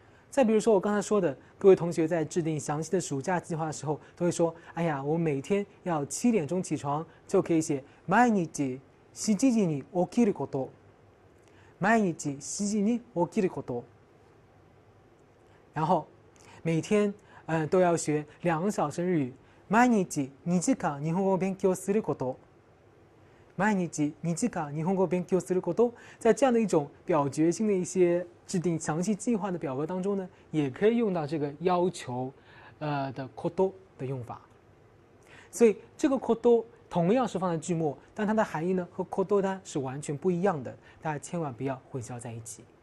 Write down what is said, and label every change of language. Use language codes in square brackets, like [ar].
[zh] 再比如说，我刚才说的，各位同学在制定详细的暑假计划的时候，都会说：“哎呀，我每天要7点钟起床，就可以写 [ja] 毎日7時に起きること。毎日7時に起きること。 [zh] 然后每天都要学2小时日语。 [ja] 毎日2時間日本語を勉強すること。毎日2時間日本語を勉強すること。 [zh] 在这样的一种表决性的一些。制定详细计划的表格当中呢，也可以用到这个要求，的 kodo 的用法。所以这个 kodo 同样是放在句末，但它的含义呢和 kodo 它是完全不一样的，大家千万不要混淆在一起。